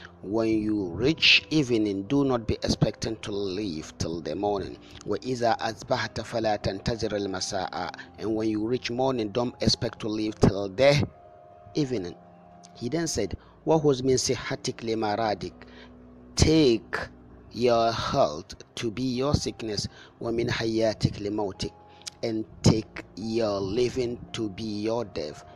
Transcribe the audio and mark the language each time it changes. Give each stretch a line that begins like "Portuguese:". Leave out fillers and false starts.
English: When you reach evening, do not be expecting to leave till the morning.
Arabic: وإذا أصبحت فلا تنتظر المساء.
English: And when you reach morning, don't expect to leave till the evening. He then said,
Arabic: وخذ من صحتك لمرضك.
English: Take your health to be your sickness.
Arabic: ومن حياتك لموتك.
English: And take your living to be your death.